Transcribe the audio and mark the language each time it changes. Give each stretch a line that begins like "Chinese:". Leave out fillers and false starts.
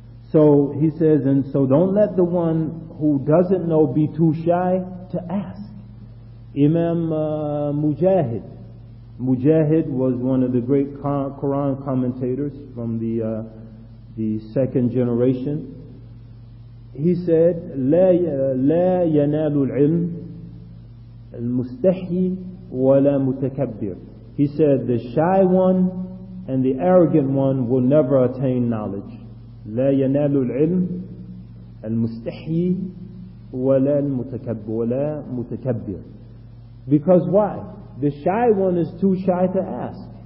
English: So he says, and so don't let the one who doesn't know be too shy to ask. Imam Mujahid. Mujahid was one of the great Quran commentators from the second generation. He said,
Arabic: لَا يَنَالُ الْعِلْمُ الْمُسْتَحْيِ وَلَا مُتَكَبِّرُ.
English: He said, the shy one and the arrogant one will never attain knowledge.
Arabic: لَا يَنَالُ الْعِلْمُ الْمُسْتَحْيِ وَلَا الْمُتَكَبِّرُ. وَلَا مُتَكَبِّرُ.
English: Because why? The shy one is too shy to ask.